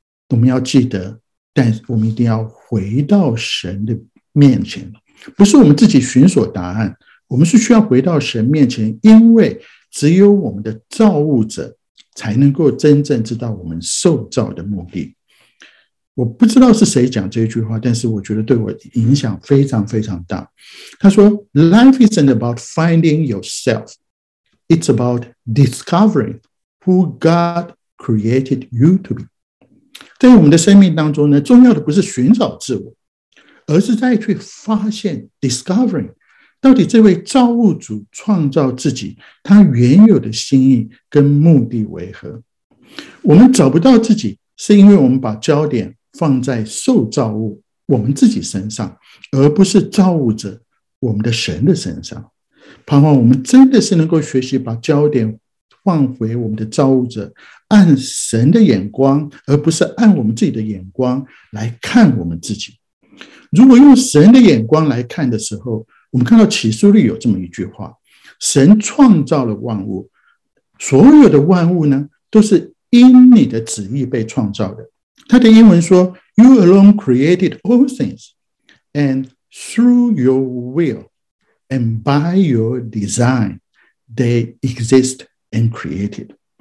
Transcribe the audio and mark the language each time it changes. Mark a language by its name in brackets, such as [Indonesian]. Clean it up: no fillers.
[Chinese] 我们要记得，但我们一定要回到神的面前，不是我们自己寻索答案，我们是需要回到神面前，因为只有我们的造物者才能够真正知道我们受造的目的。我不知道是谁讲这句话，但是我觉得对我影响非常非常大。他说 [English] Life isn't about finding yourself, it's about discovering who God created you to be。 [Chinese] 在我们的生命当中呢，重要的不是寻找自我，而是再去发现 discovering到底这位造物主创造自己，他原有的心意跟目的为何。我们找不到自己，是因为我们把焦点放在受造物我们自己身上，而不是造物者我们的神的身上。盼望我们真的是能够学习把焦点放回我们的造物者，按神的眼光，而不是按我们自己的眼光来看我们自己。如果用神的眼光来看的时候，我们看到启示录有这么一句话，神创造了万物，所有的万物呢，都是因你的旨意被创造的。他的英文说 [English] You alone created all things, and through your will and by your design, they exist and created。